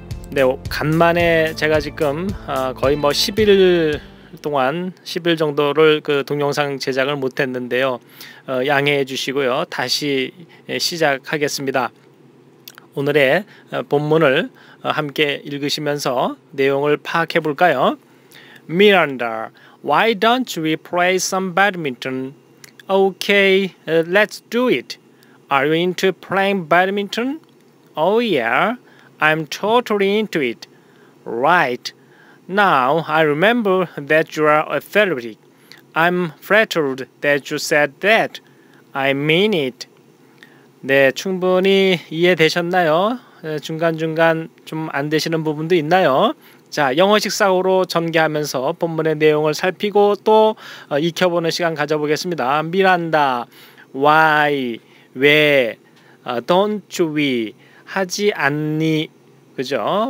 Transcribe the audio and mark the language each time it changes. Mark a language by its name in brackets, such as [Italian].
[Korean] 네, 간만에 제가 지금 거의 뭐 10일 정도를 그 동영상 제작을 못했는데요. 양해해 주시고요. 다시 시작하겠습니다. 오늘의 본문을 함께 읽으시면서 내용을 파악해 볼까요? [English] Miranda, why don't we play some badminton? Okay, let's do it. Are you into playing badminton? Oh yeah, I'm totally into it. Right, now I remember that you are athletic. I'm flattered that you said that. I mean it. [Korean] 네, 충분히 이해되셨나요? 중간중간 좀 안 되시는 부분도 있나요? 자, 영어식 사고로 전개하면서 본문의 내용을 살피고 또 익혀보는 시간 가져보겠습니다. 미란다, [English] why, [Korean] 왜, [English] don't we, [Korean] 하지 않니, 그죠?